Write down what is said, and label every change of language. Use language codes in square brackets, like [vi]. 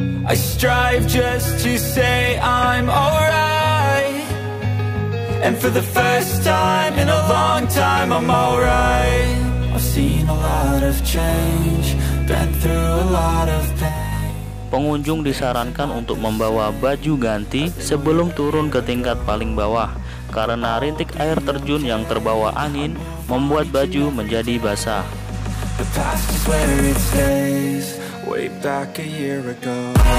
[en] I strive just to say I'm alright. And for the first time in a long time I'm alright. I've seen a lot of change, been through a lot of pain. [id] Pengunjung disarankan untuk membawa baju ganti sebelum turun ke tingkat paling bawah, karena rintik air terjun yang terbawa angin membuat baju menjadi basah. [en] The past is where it stays, way back a year ago.